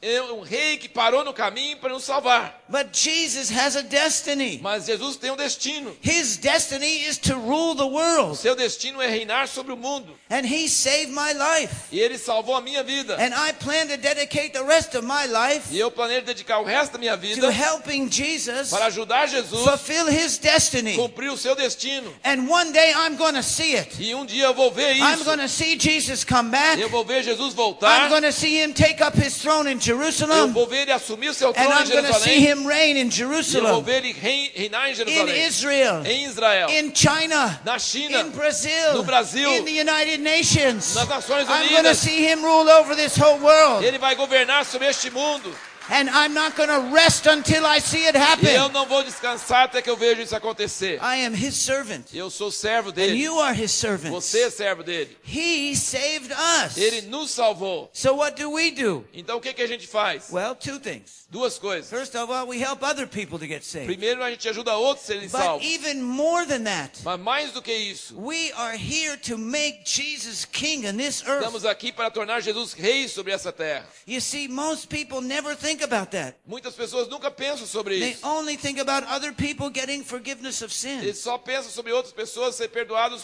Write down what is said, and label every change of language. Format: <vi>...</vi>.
<pt>É um rei que parou no caminho para nos salvar.</pt> <en>But Jesus has a destiny.</en> <pt>Mas Jesus tem um destino.</pt> <en>His destiny is to rule the world.</en> <pt>Seu destino é reinar sobre o mundo.</pt> <en>And he saved my life.</en> <pt>E ele salvou a minha vida.</pt> <en>And I plan to dedicate the rest of my life.</en> <pt>E eu planejo dedicar o resto da minha vida.</pt> <en>To helping Jesus.</en> <pt>Para ajudar Jesus.</pt> <en>Fulfill his destiny.</en> <pt>Cumprir o seu destino.</pt> <en>And one day I'm going to see it.</en> <pt>E um dia eu vou ver isso.</pt> <en>I'm going to see Jesus come back.</en> <pt>Eu vou ver Jesus voltar.</pt> <en>I'm going to see him take up his throne in Jerusalém.</en> <pt>Eu vou ver ele assumir o seu trono em Jerusalém.</pt> <en>And I'm going to see him reign in Jerusalem.</en> <pt>Eu vou ver ele reinar em Jerusalém.</pt> <en>In Israel.</en> <pt>Em Israel.</pt> <en>In China.</en> <pt>Na China.</pt> <en>In Brazil.</en> <pt>No Brasil.</pt> <en>In the United Nations.</en> <pt>Nas Nações Unidas.</pt> <en>I'm going to see him rule over this whole world.</en> <pt>Ele vai governar sobre este mundo.</pt> <en>And I'm not going to rest until I see it happen.</en> <pt>E eu não vou descansar até que eu veja isso acontecer.</pt> <en>I am his servant.</en> <pt>Eu sou servo dele.</pt> <en>And you are his servant.</en> <pt>Você é servo dele.</pt> <en>He saved us.</en> <pt>Ele nos salvou.</pt> <en>So what do we do?</en> <pt>Então o que que a gente faz?</pt> <en>Well, two things.</en> <pt>Duas coisas.</pt> <en>First of all, we help other people to get saved.</en> <pt>Primeiro a gente ajuda outros a serem salvos.</pt> <en>But even more than that.</en> <pt>Mas mais do que isso.</pt> <en>We are here to make Jesus king in this earth.</en> <pt>Estamos aqui para tornar Jesus rei sobre essa terra.</pt> <en>You see, most people never think about that.</en> <pt>Muitas pessoas nunca pensam sobre</pt> <en>They</en> <pt>isso.</pt> <en>They only think about other people getting forgiveness of sins.</en> <pt>Eles só pensam sobre outras pessoas serem perdoadas dos</pt>